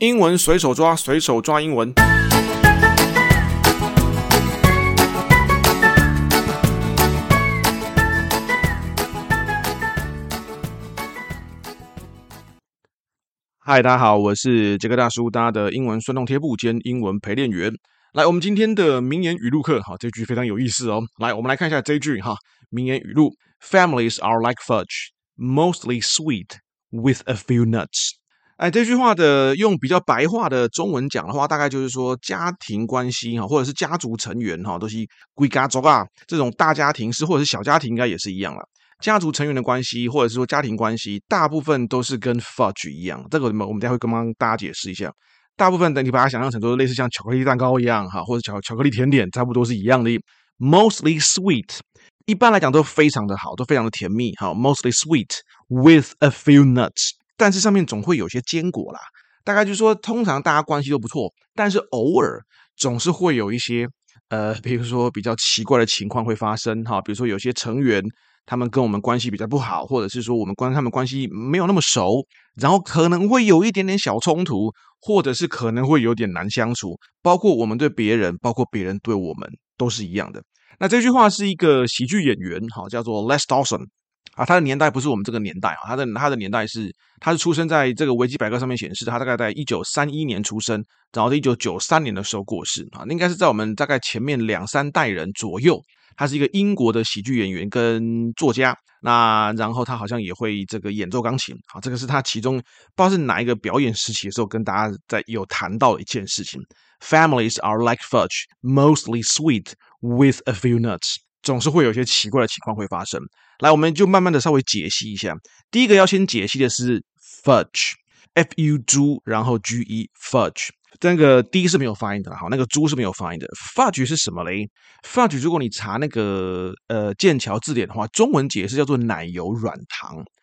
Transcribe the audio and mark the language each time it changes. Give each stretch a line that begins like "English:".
Chinese: 英文随手抓，随手抓英文。嗨，大家好，我是杰克大叔，大家的英文酸痛贴布兼英文陪练员。来，我们今天的名言语录课，好，这句非常有意思哦。来，我们来看一下这句哈，名言语录 ：
English: Families are like fudge, mostly sweet with a few nuts。
Chinese: 哎，这句话的用比较白话的中文讲的话，大概就是说家庭关系哈，或者是家族成员哈，都是归家族啊，这种大家庭是，或者是小家庭应该也是一样啦。家族成员的关系，或者是说家庭关系，大部分都是跟 fudge 一样。这个我们等一下会跟大家解释一下。大部分的你把它想象成都类似像巧克力蛋糕一样哈，或者巧克力甜点，差不多是一样的。
English: Mostly sweet，
Chinese: 一般来讲都非常的好，都非常的甜蜜。
English: 好 ，mostly sweet with a few nuts。
Chinese: 但是上面总会有些坚果啦，大概就是说通常大家关系都不错，但是偶尔总是会有一些比如说比较奇怪的情况会发生哈，比如说有些成员他们跟我们关系比较不好，或者是说我们跟他们关系没有那么熟，然后可能会有一点点小冲突，或者是可能会有点难相处，包括我们对别人，包括别人对我们都是一样的。那这句话是一个喜剧演员哈，叫做 Les Dawson。啊，他的年代不是我们这个年代啊，他的年代是，他是出生在这个维基百科上面显示，他大概在1931年出生，然后在1993年的时候过世啊，应该是在我们大概前面两三代人左右。他是一个英国的喜剧演员跟作家，那然后他好像也会这个演奏钢琴啊，这个是他其中不知道是哪一个表演时期的时候跟大家在有谈到的一件事情。
English: Families are like fudge, mostly sweet with a few nuts。
Chinese: 总是会有一些奇怪的情况会发生。来，我们就慢慢的稍微解析一下。第一个要先解析的是 fudge，F-U-G， 然后 G-E，fudge。这个 D 是没有发音的，好，那个 G 是没有发音的。fudge 是什么嘞 ？fudge 如果你查那个剑桥字典的话，中文解释叫做奶油软糖。